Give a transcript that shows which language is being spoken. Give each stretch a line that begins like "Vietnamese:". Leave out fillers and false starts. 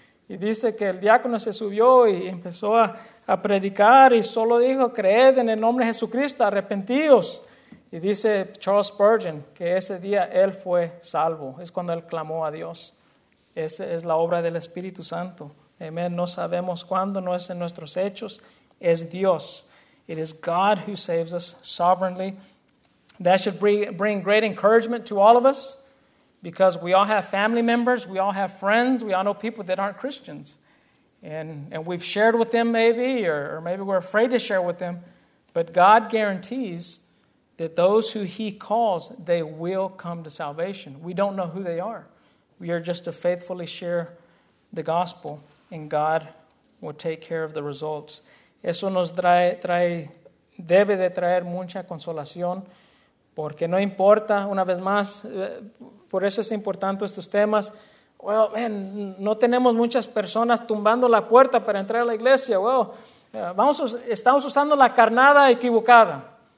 Spanish: Y dice que el diácono se subió y empezó a predicar y solo dijo: creed en el nombre de Jesucristo, arrepentíos. Y dice Charles Spurgeon que ese día él fue salvo. Es cuando él clamó a Dios. Esa es la obra del Espíritu Santo. Amén. No sabemos cuándo, no es en nuestros hechos. Es Dios.
English: It is God who saves us sovereignly. That should bring great encouragement to all of us. Because we all have family members, we all have friends, we all know people that aren't Christians. And we've shared with them maybe, or maybe we're afraid to share with them. But God guarantees that those who he calls, they will come to salvation. We don't know who they are. We are just to faithfully share the gospel, and God will take care of the results.
Spanish: Eso nos debe de traer mucha consolación, porque no importa, una vez más, por eso es importante estos temas.
English: Well, man,
Spanish: no tenemos muchas personas tumbando la puerta para entrar a la iglesia. Well, estamos usando la carnada equivocada.